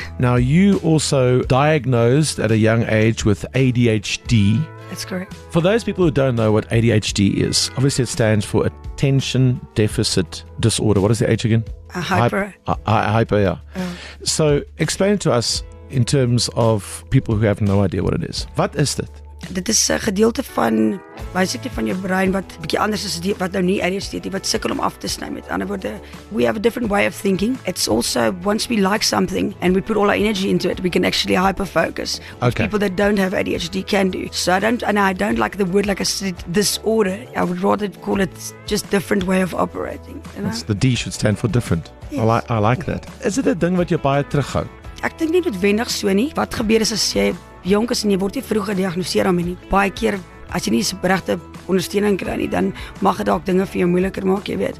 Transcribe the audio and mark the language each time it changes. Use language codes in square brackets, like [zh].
[en] Now, you also diagnosed at a young age with ADHD. That's correct. For those people who don't know what ADHD is, obviously it stands for Attention Deficit Disorder. What is the H again? Hyper, yeah. So, explain to us in terms of people who have no idea what it is. What is it? [af] Dit is 'n gedeelte van basically van jou brein wat bietjie anders is die, wat nou nie ADHD het nie, wat sukkel om af te sny. Met ander woorde, [en] we have a different way of thinking. It's also, once we like something and we put all our energy into it, we can actually hyperfocus. Okay. People that don't have ADHD can do. So I don't like the word, like I said, disorder. I would rather call it just different way of operating. You know? The D should stand for different. Yes. I like that. Is it a [af] ding wat jou baie terughou? Ek dink nie noodwendig so nie. Wat gebeur is as jy jonk is en jy word nie vroeg gediagnoseer daarmee nie. Baie keer, as jy nie die regte ondersteuning kry nie, dan mag dit dalk dinge vir jou moeiliker maak, jy weet.